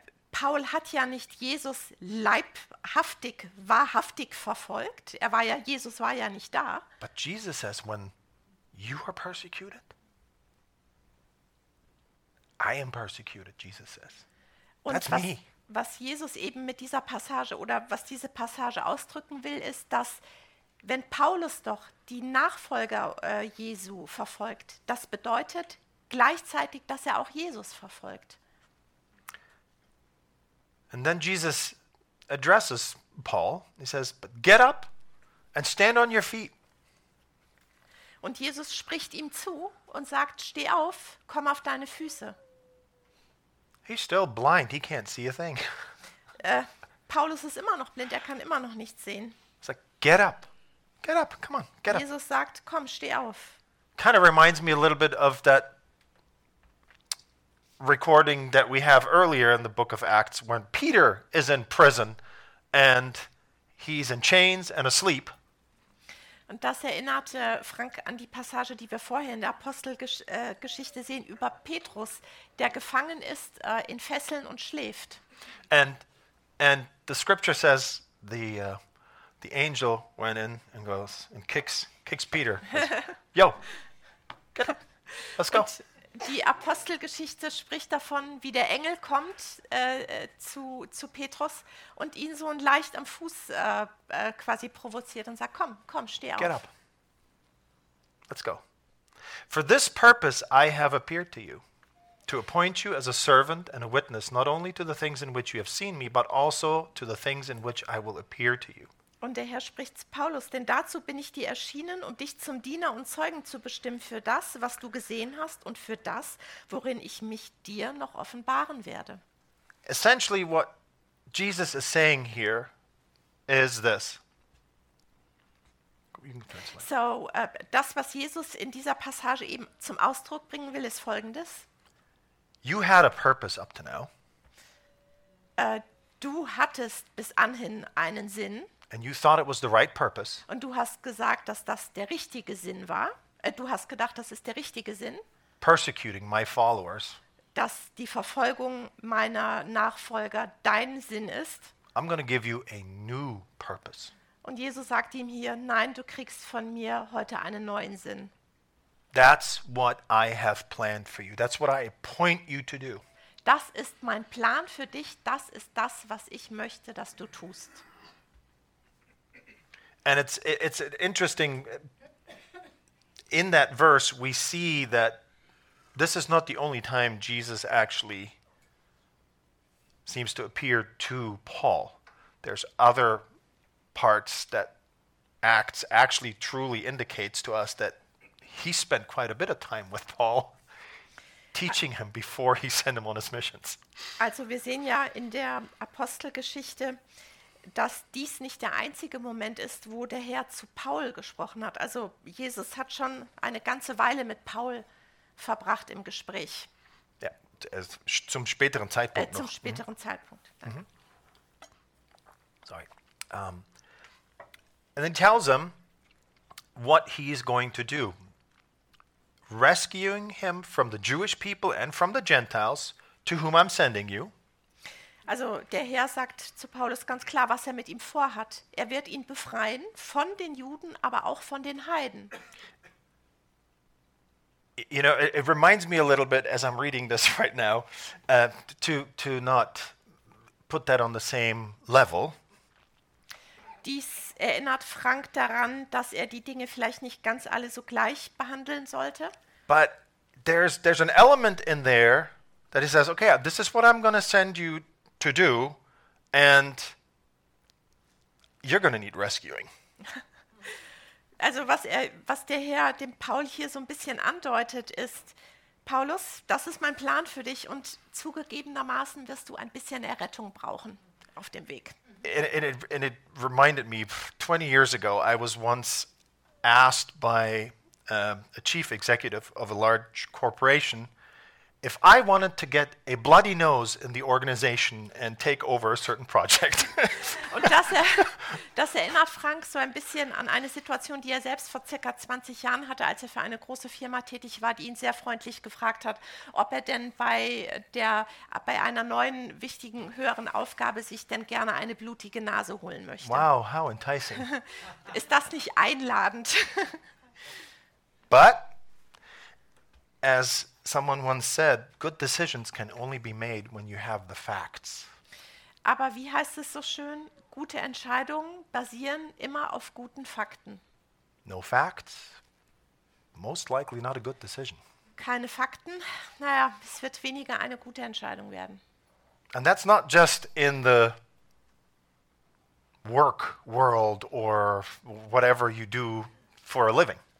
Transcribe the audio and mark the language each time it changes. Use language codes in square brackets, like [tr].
[de] Paul hat ja nicht Jesus leibhaftig, wahrhaftig verfolgt. Er war ja, Jesus war ja nicht da. [en] But Jesus says, when you are persecuted, I am persecuted, Jesus says. [de] Und [en] that's me. [de] Was Jesus eben mit dieser Passage oder was diese Passage ausdrücken will, ist, dass wenn Paulus doch die Nachfolger Jesu verfolgt, das bedeutet gleichzeitig, dass er auch Jesus verfolgt. [en] And then Jesus addresses Paul. He says, but get up and stand on your feet. [de] Und Jesus spricht ihm zu und sagt, steh auf, komm auf deine Füße. [en] He's still blind. He can't see a thing. [de] Paulus ist immer noch blind. Er kann immer noch nichts sehen. [en] He's like, get up. Get up. Come on. Get up. [de] Jesus sagt, komm, steh auf. [en] Kind of reminds me a little bit of that recording that we have earlier in the book of Acts when Peter is in prison and he's in chains and asleep. [de] Und das erinnerte Frank an die Passage, die wir vorher in der Apostelgeschichte sehen, über Petrus, der gefangen ist in Fesseln und schläft. [en] And the scripture says the angel went in and goes and kicks Peter. Says, yo, get up, let's go. [de] Und die Apostelgeschichte spricht davon, wie der Engel kommt zu Petrus und ihn so leicht am Fuß quasi provoziert und sagt, komm, steh auf. [en] Get up. Let's go. For this purpose I have appeared to you, to appoint you as a servant and a witness, not only to the things in which you have seen me, but also to the things in which I will appear to you. [de] Und der Herr spricht zu Paulus, denn dazu bin ich dir erschienen, um dich zum Diener und Zeugen zu bestimmen für das, was du gesehen hast und für das, worin ich mich dir noch offenbaren werde. [en] Essentially what Jesus is saying here is this. [de] So, das, was Jesus in dieser Passage eben zum Ausdruck bringen will, ist Folgendes. [en] You had a purpose up to now. [de] Du hattest bis anhin einen Sinn. [en] And you thought it was the right purpose. [de] Und du hast gesagt, dass das der richtige Sinn war. Du hast gedacht, das ist der richtige Sinn. [en] Persecuting my followers. [de] Dass die Verfolgung meiner Nachfolger dein Sinn ist. [en] I'm going to give you a new purpose. [de] Und Jesus sagt ihm hier, nein, du kriegst von mir heute einen neuen Sinn. [en] That's what I have planned for you. That's what I appoint you to do. [de] Das ist mein Plan für dich. Das ist das, was ich möchte, dass du tust. [en] And it's interesting, in that verse we see that this is not the only time Jesus actually seems to appear to Paul. There's other parts that Acts actually truly indicates to us that he spent quite a bit of time with Paul, teaching him before he sent him on his missions. [de] Also wir sehen ja in der Apostelgeschichte, dass dies nicht der einzige Moment ist, wo der Herr zu Paul gesprochen hat. Also Jesus hat schon eine ganze Weile mit Paul verbracht im Gespräch. Ja, zum späteren Zeitpunkt noch. Zum späteren Zeitpunkt. Sorry. [en] And then tells him what he is going to do. Rescuing him from the Jewish people and from the Gentiles, to whom I'm sending you. [de] Also der Herr sagt zu Paulus ganz klar, was er mit ihm vorhat. Er wird ihn befreien von den Juden, aber auch von den Heiden. [en] You know, it reminds me a little bit as I'm reading this right now, to not put that on the same level. [de] Dies erinnert Frank daran, dass er die Dinge vielleicht nicht ganz alle so gleich behandeln sollte. [en] But there's an element in there that he says, okay, this is what I'm going to send you to do, and you're going to need rescuing. [de] Also was der Herr dem Paul hier so ein bisschen andeutet ist, Paulus, das ist mein Plan für dich und zugegebenermaßen wirst du ein bisschen Errettung brauchen auf dem Weg. [en] And it reminded me, 20 years ago, I was once asked by a chief executive of a large corporation if I wanted to get a bloody nose in the organization and take over a certain project. [de] Und das erinnert Frank so ein bisschen an eine Situation, die er selbst vor circa 20 Jahren hatte, als er für eine große Firma tätig war, die ihn sehr freundlich gefragt hat, ob er denn bei einer neuen, wichtigen, höheren Aufgabe sich denn gerne eine blutige Nase holen möchte. [en] Wow, how enticing. [de] Ist das nicht einladend? [en] But, as someone once said, good decisions can only be made when you have the facts. [de] Aber wie heißt es so schön? Gute Entscheidungen basieren immer auf guten Fakten. [en] No facts, most likely not a good decision. [de] Keine Fakten, naja, es wird weniger eine gute Entscheidung werden. [en] And that's not just in the work world or whatever you do for a living.